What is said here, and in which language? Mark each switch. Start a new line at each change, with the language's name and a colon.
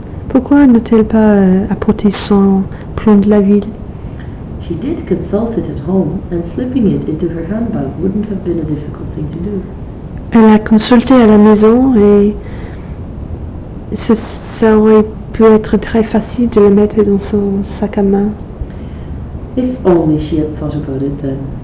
French: Pourquoi n'a-t-elle pas apporté son plan de la ville?
English: She did consult it at home, and slipping it into her handbag wouldn't have been a difficult thing to do.
French: Elle a consulté à la maison et ça aurait pu être très facile de le mettre dans son sac à main.
English: If only she had thought about it then.